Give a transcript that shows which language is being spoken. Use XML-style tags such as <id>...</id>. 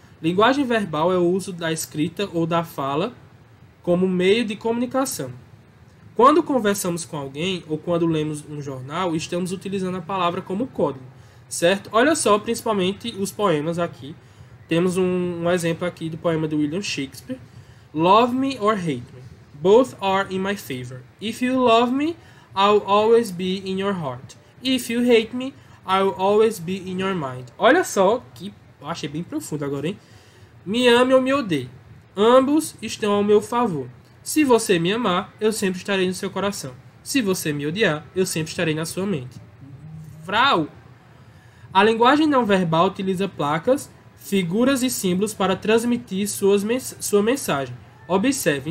<pt>Linguagem verbal é o uso da escrita ou da fala como meio de comunicação. Quando conversamos com alguém ou quando lemos um jornal, estamos utilizando a palavra como código, certo? Olha só, principalmente os poemas aqui. Temos um exemplo aqui do poema de William Shakespeare.</pt> <en>Love me or hate me. Both are in my favor. If you love me, I'll always be in your heart. If you hate me, I'll always be in your mind.</en> <pt>Olha só que achei bem profundo agora, hein? Me ame ou me odeie. Ambos estão ao meu favor. Se você me amar, eu sempre estarei no seu coração. Se você me odiar, eu sempre estarei na sua mente. Vrau! A linguagem não verbal utiliza placas, figuras e símbolos para transmitir sua mensagem. Observe.</pt>